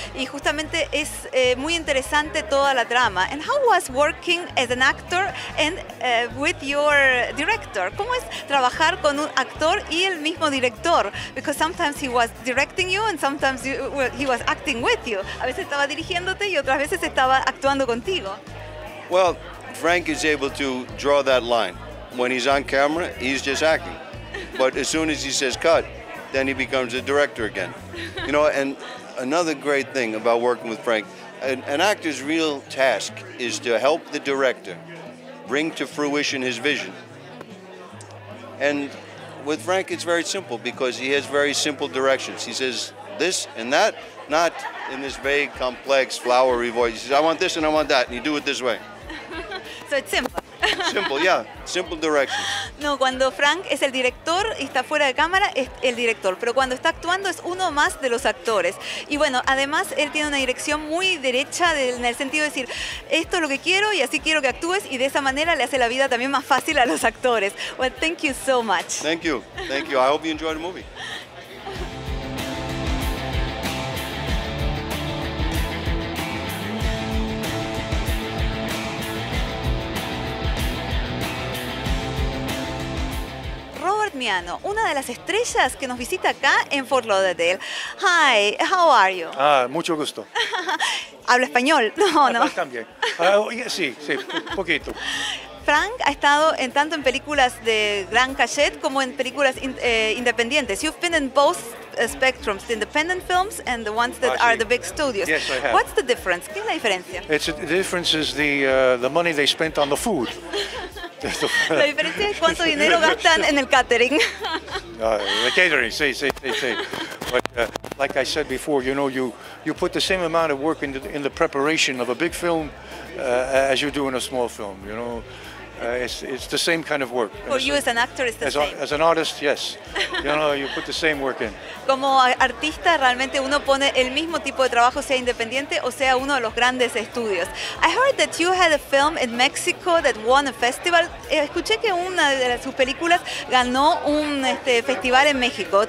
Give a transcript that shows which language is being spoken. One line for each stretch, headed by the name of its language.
Spanish: Y justamente es muy interesante toda la trama.
English: And how was working as an actor and with your director?
Spanish: ¿Cómo es trabajar con un actor y el mismo director?
English: Because sometimes he was directing you and sometimes he was acting with you.
Spanish: A veces estaba dirigiéndote y otras veces estaba actuando contigo.
English: Well, Frank is able to draw that line. When he's on camera, he's just acting. But as soon as he says cut, then he becomes a director again. You know, and another great thing about working with Frank, an actor's real task is to help the director bring to fruition his vision. And with Frank, it's very simple because he has very simple directions. He says this and that, not in this vague, complex, flowery voice. He says, I want this and I want that, and you do it this way. So it's simple. Simple, yeah. Simple directions.
Spanish: No, cuando Frank es el director y está fuera de cámara, es el director. Pero cuando está actuando, es uno más de los actores. Y bueno, además, él tiene una dirección muy derecha en el sentido de decir, esto es lo que quiero y así quiero que actúes. Y de esa manera le hace la vida también más fácil a los actores.
English: Well, thank you so much. Thank you. Thank you. I hope you enjoy the movie.
Spanish: Miano, una de las estrellas que nos visita acá en Fort Lauderdale.
English: Hi, how are you?
Spanish: Ah, mucho gusto. ¿Habla español? No. También. Sí, poquito. Frank ha estado en tanto en películas de gran cachet como en películas independientes.
English: You've been in both spectrums, the independent films and the ones that are the big studios. Yes, I have. What's the difference?
Spanish: ¿Qué es la diferencia?
English: The difference is the money they spent on the food.
Spanish: La diferencia es cuánto dinero gastan en el catering.
English: The catering, sí. But like I said before, you know, you put the same amount of work in the preparation of a big film as you do in a small film, you know. It's the same kind of work. For you as an actor, it's the same. As an artist, yes. You know, you put the same work in.
Spanish: Como artista, realmente uno pone el mismo tipo de trabajo, sea independiente o sea uno de los grandes estudios.
English: I heard that you had a film in Mexico that won a festival.
Spanish: Escuché que una de sus películas ganó un festival en México.